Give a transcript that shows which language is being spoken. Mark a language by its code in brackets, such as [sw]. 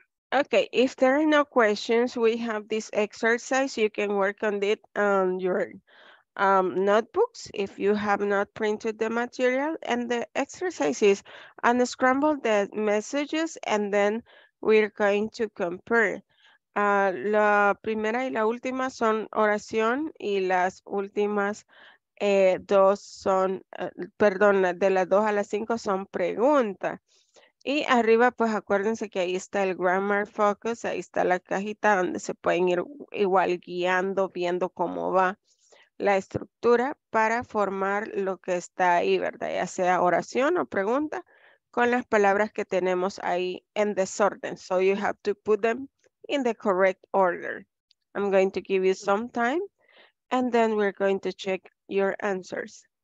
[en] Okay, if there are no questions, we have this exercise. You can work on it on your notebooks if you have not printed the material. And the exercise is unscramble the messages and then we're going to compare. [es] La primera y la última son oración y las últimas dos son, perdón, de las dos a las cinco son preguntas. Y arriba, pues acuérdense que ahí está el [en] grammar focus, [es] ahí está la cajita donde se pueden ir igual guiando, viendo cómo va la estructura para formar lo que está ahí, ¿verdad? Ya sea oración o pregunta con las palabras que tenemos ahí en desorden. [en] So you have to put them in the correct order. I'm going to give you some time and then we're going to check your answers.